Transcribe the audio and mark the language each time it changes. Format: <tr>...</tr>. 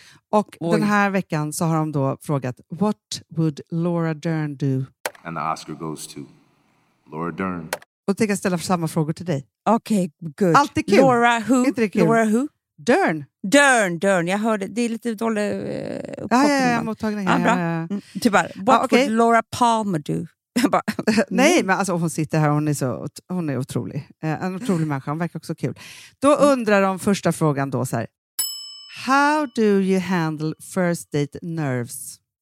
<sv>Och den här veckan så har de då frågat,</sv> <en>what would Laura Dern do? And the Oscar goes to Laura Dern.</en> <sv>Och tänker ställa samma frågor till dig. Okej, good. Allt är kul.</sv> <en>Laura who?</en> <sv>Inte det kul.</sv> <en>Laura who? Dern. Dern, Dern.</en> <sv>Jag hörde, det är lite dålig uppkoppling. Ja, mottagning. Ja, bra. Typ bara,</sv> <en>what would Laura Palmer do?</en> <sv>Nej, men alltså hon sitter här, hon är otrolig. En otrolig människa, hon verkar också kul. Då undrar de första frågan då så här.</sv> <en>How do you handle first date nerves?</en>